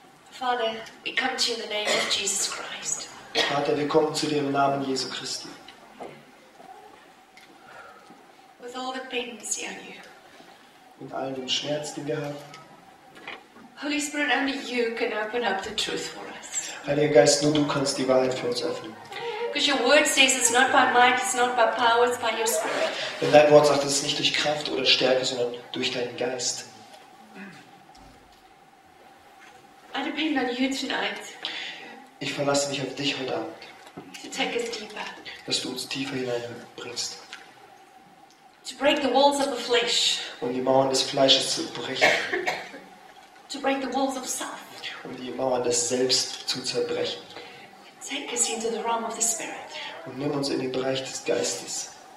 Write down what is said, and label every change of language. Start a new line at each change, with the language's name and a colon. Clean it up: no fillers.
English: Father, we come to you in the name of Jesus Christ.
German: Vater, wir kommen zu dir im Namen Jesu Christi.
English: With all the dependency on you.
German: Mit all dem Schmerz, den wir haben.
English: Holy Spirit, only you can open up the truth for us.
German: Heiliger Geist, nur du kannst die Wahrheit für uns öffnen.
English: Because your word says it's not by might, it's not by power, it's by your spirit.
German: Denn dein Wort sagt, es ist nicht durch Kraft oder Stärke, sondern durch deinen Geist.
English: I depend on you tonight.
German: Ich verlasse mich auf dich heute Abend.
English: To take us deeper.
German: Dass du uns tiefer hineinbringst.
English: To break the walls of the flesh.
German: Um die Mauern des Fleisches zu brechen.
English: To break the walls of self.
German: Um die Mauern des Selbst zu zerbrechen.
English: Take us into the realm of the spirit.
German: Und nimm uns in den Bereich des Geistes.